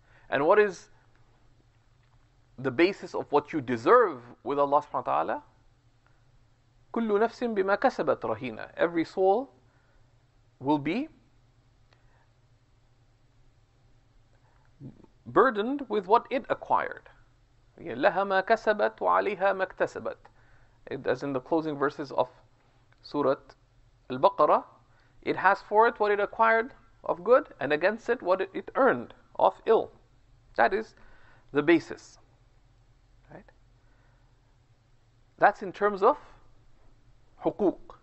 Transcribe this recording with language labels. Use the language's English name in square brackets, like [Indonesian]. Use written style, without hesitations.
[English] And what is the basis of what you deserve with Allah subhanahu wa ta'ala? [Arabic] كل نفس بما كسبت رهينة. [English] Every soul will be burdened with what it acquired. [Arabic] لها ما كسبت وعليها ما اكتسبت. [English] As in the closing verses of Surah Al-Baqarah, it has for it what it acquired of good and against it what it earned of ill. That is the basis. Right? That's in terms of حقوق.